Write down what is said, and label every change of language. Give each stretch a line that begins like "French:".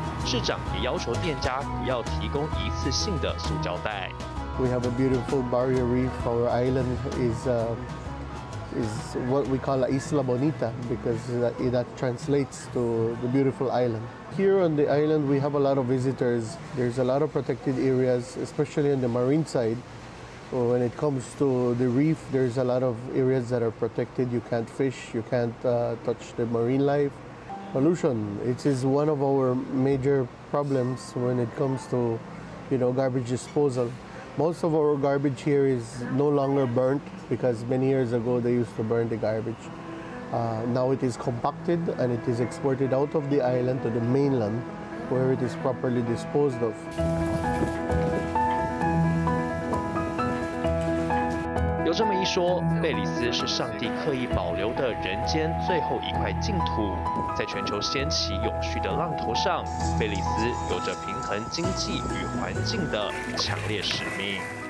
Chinese: 市长也要求店家不要提供一次性的塑胶袋。
English: We have a beautiful barrier reef. Our island is what we call Isla Bonita, because that translates to the beautiful island. Here on the island, we have a lot of visitors. There's a lot of protected areas, especially on the marine side. When it comes to the reef, there's a lot of areas that are protected. You can't fish, you can't touch the marine life. Pollution, it is one of our major problems when it comes to, you know, garbage disposal. Most of our garbage here is no longer burnt, because many years ago they used to burn the garbage. Now it is compacted and it is exported out of the island to the mainland, where it is properly disposed of.
Chinese: 有这么一说，贝里斯是上帝刻意保留的人间最后一块净土。在全球掀起永续的浪头上，贝里斯有着平衡经济与环境的强烈使命。